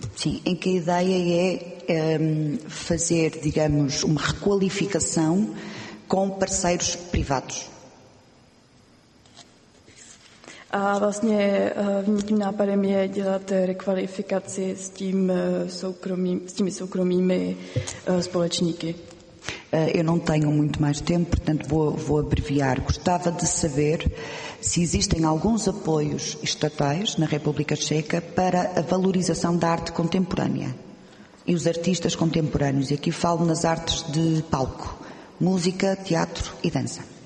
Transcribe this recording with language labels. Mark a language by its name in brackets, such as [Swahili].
[Portuguese] Sim, em que ideia é fazer, digamos, uma requalificação com parceiros privados. [Czech] A vlastně vnitřním nápadem je dělat rekvalifikaci s tím soukromým, s těmi soukromými společníky. [Portuguese] Eu não tenho muito mais tempo, portanto vou abreviar. Gostava de saber se existem alguns apoios estatais na República Checa para a valorização da arte contemporânea e os artistas contemporâneos. E aqui falo nas artes de palco, música, teatro e dança.